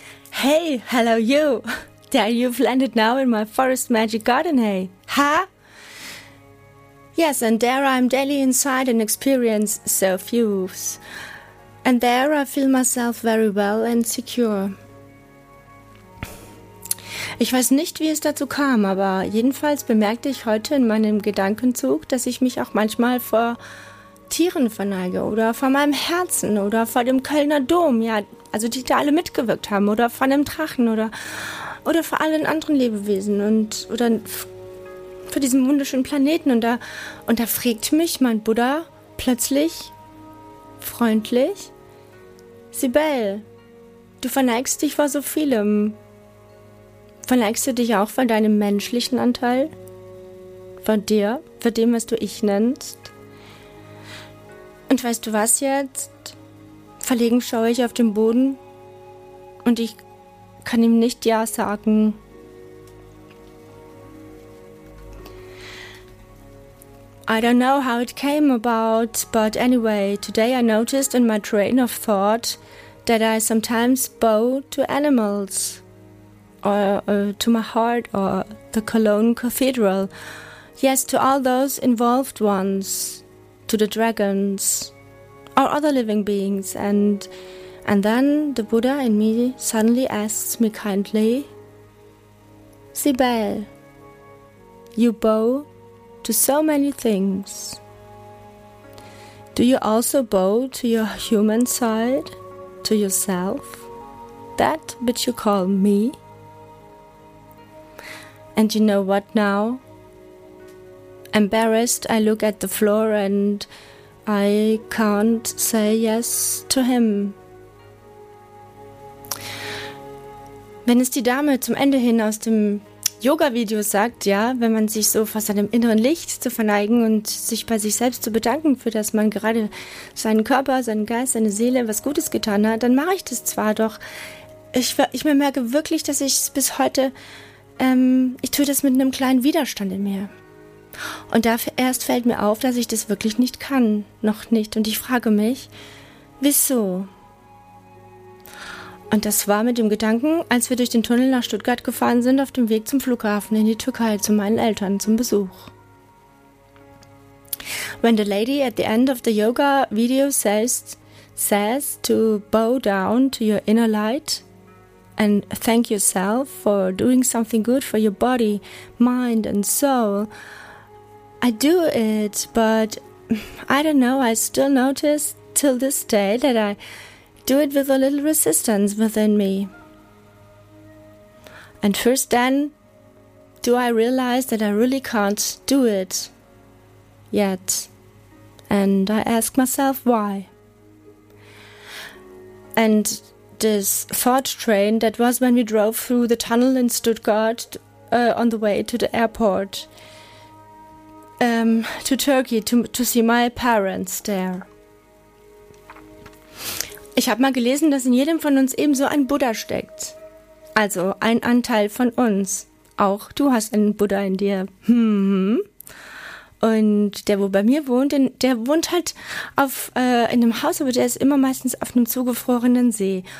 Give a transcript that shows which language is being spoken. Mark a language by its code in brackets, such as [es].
[en] Hey, hello you. There you've landed now in my forest magic garden, hey. Huh? Yes, and there I'm daily inside and experience so fuse. And there I feel myself very well and secure. [de] Ich weiß nicht, wie es dazu kam, aber jedenfalls bemerkte ich heute in meinem Gedankenzug, dass ich mich auch manchmal vor Tieren verneige oder vor meinem Herzen oder vor dem Kölner Dom, ja, also die da alle mitgewirkt haben oder vor einem Drachen oder vor allen anderen Lebewesen und oder vor diesem wunderschönen Planeten und da fragt mich mein Buddha plötzlich freundlich, Sibel, du verneigst dich vor so vielem. Verneigst du dich auch vor deinem menschlichen Anteil? Von dir? Von dem, was du ich nennst? Und weißt du was jetzt? Verlegen schaue ich auf den Boden und ich kann ihm nicht ja sagen. [en] I don't know how it came about, but anyway, today I noticed in my train of thought that I sometimes bow to animals. Or to my heart, or the Cologne Cathedral. Yes, to all those involved ones, to the dragons, or other living beings. And then the Buddha in me suddenly asks me kindly, Sibel, you bow to so many things. Do you also bow to your human side, to yourself, that which you call me? And you know what now? Embarrassed, I look at the floor and I can't say yes to him. [de] Wenn es die Dame zum Ende hin aus dem Yoga-Video sagt, ja, wenn man sich so vor seinem inneren Licht zu verneigen und sich bei sich selbst zu bedanken, für das man gerade seinen Körper, seinen Geist, seine Seele was Gutes getan hat, dann mache ich das zwar, doch ich merke wirklich, dass ich es bis heute ich tue das mit einem kleinen Widerstand in mir. Und dafür erst fällt mir auf, dass ich das wirklich nicht kann. Noch nicht. Und ich frage mich, wieso? Und das war mit dem Gedanken, als wir durch den Tunnel nach Stuttgart gefahren sind, auf dem Weg zum Flughafen in die Türkei zu meinen Eltern zum Besuch. [en] When the lady at the end of the yoga video says to bow down to your inner light, and thank yourself for doing something good for your body, mind and soul. I do it, but I don't know, I still notice till this day that I do it with a little resistance within me. And first then, do I realize that I really can't do it yet. And I ask myself why. And this thought train, that was when we drove through the tunnel in Stuttgart on the way to the airport to Turkey to see my parents there. [de] Ich habe mal gelesen, dass in jedem von uns ebenso ein Buddha steckt. Also ein Anteil von uns. Auch du hast einen Buddha in dir. Und der, wo bei mir wohnt, der wohnt halt in einem Haus, aber der ist immer meistens auf einem zugefrorenen See.